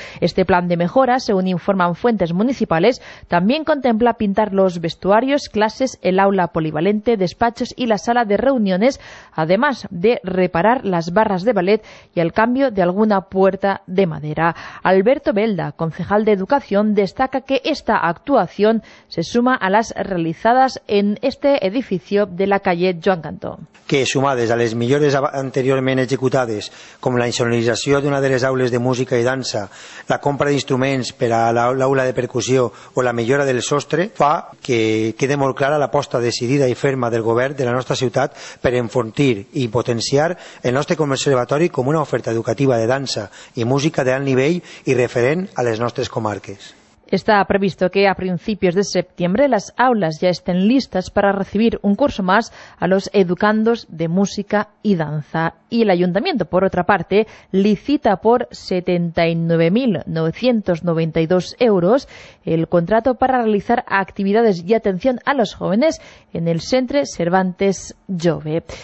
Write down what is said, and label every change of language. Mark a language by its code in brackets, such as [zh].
[es] Este plan de mejora, según informan fuentes municipales, también contempla pintar los vestuarios, clases, el aula polivalente, despachos y la sala de reuniones, además de reparar las barras de ballet y el cambio de alguna puerta de madera. Alberto Belda, concejal de Educación, destaca que esta actuación se suma a las realizadas en este edificio de la calle Joan Cantó. [ca] Que sumades a les millores anteriorment executades, com la insonorització d'una de les aules de música i dansa, la compra d'instruments per a l'aula de percussió o la millora del sostre, fa que quede molt clara l'aposta decidida i ferma del govern de la nostra ciutat per enfortir i potenciar el nostre conservatori com una oferta educativa de dansa i música d'alt nivell i referent a les nostres comarques. [es] Está previsto que a principios de septiembre las aulas ya estén listas para recibir un curso más a los educandos de música y danza. Y el ayuntamiento, por otra parte, licita por 79.992 euros el contrato para realizar actividades y atención a los jóvenes en el Centre Cervantes Jove.